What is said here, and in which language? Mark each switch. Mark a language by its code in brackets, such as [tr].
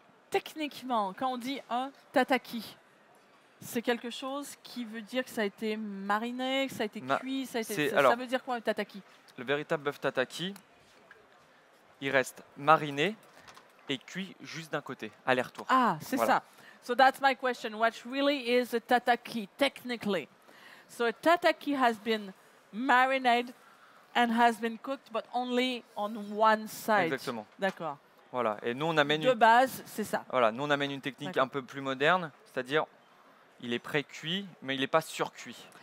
[fr] Techniquement, quand on dit un tataki, c'est quelque chose qui veut dire que ça a été mariné, que ça a été cuit. Ça, a été, ça veut dire quoi, un tataki ? Le véritable bœuf tataki, il reste mariné et cuit juste d'un côté, aller-retour. Ah, c'est voilà. Ça. [en] So that's my question. What really is a tataki, technically? So a tataki has been marinated and has been cooked, but only on one side. [fr] Exactement. D'accord. Voilà. Et nous, on amène de base, c'est ça. Voilà. Nous, on amène une technique un peu plus moderne, c'est-à-dire, il est pré-cuit, mais il n'est pas surcuit.